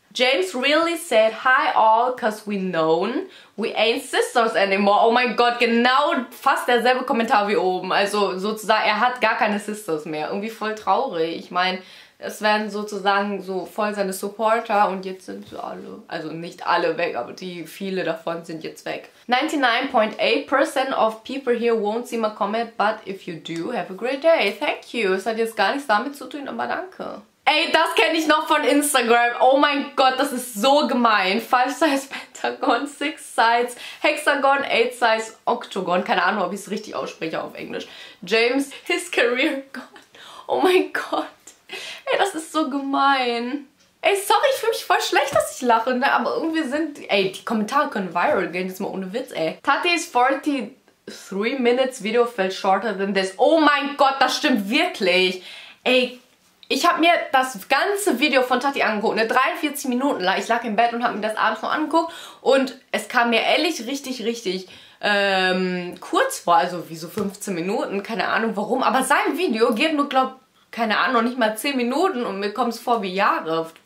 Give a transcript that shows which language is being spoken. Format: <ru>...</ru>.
<en>James really said hi all, cause we known we ain't sisters anymore.</en> <de>Oh mein Gott, genau fast derselbe Kommentar wie oben. Also sozusagen, er hat gar keine Sisters mehr. Irgendwie voll traurig. Ich meine, es werden sozusagen so voll seine Supporter und jetzt sind sie alle, also nicht alle weg, aber die viele davon sind jetzt weg.</de> <en>99.8% of people here won't see my comment, but if you do, have a great day. Thank you.</en> <de>Es hat jetzt gar nichts damit zu tun, aber danke. Ey, das kenne ich noch von Instagram. Oh mein Gott, das ist so gemein.</de> <en>5-Size Pentagon, 6-Size Hexagon, 8-Size Octagon.</en> <de>Keine Ahnung, ob ich es richtig ausspreche auf Englisch. James,</de> <en>his career gone.</en> <de>Oh mein Gott. Ey, das ist so gemein. Ey, sorry, ich fühle mich voll schlecht, dass ich lache, ne? Aber irgendwie sind... Ey, die Kommentare können viral gehen, jetzt mal ohne Witz, ey.</de> <en>Tati is 43 minutes video fell shorter than this.</en> <de>Oh mein Gott, das stimmt wirklich. Ey, ich habe mir das ganze Video von Tati angeguckt, ne, 43 Minuten lang. Ich lag im Bett und habe mir das abends noch angeguckt und es kam mir ehrlich richtig, richtig kurz vor, also wie so 15 Minuten, keine Ahnung warum. Aber sein Video geht nur, glaube, keine Ahnung, nicht mal 10 Minuten und mir kommt es vor wie Jahre.</de>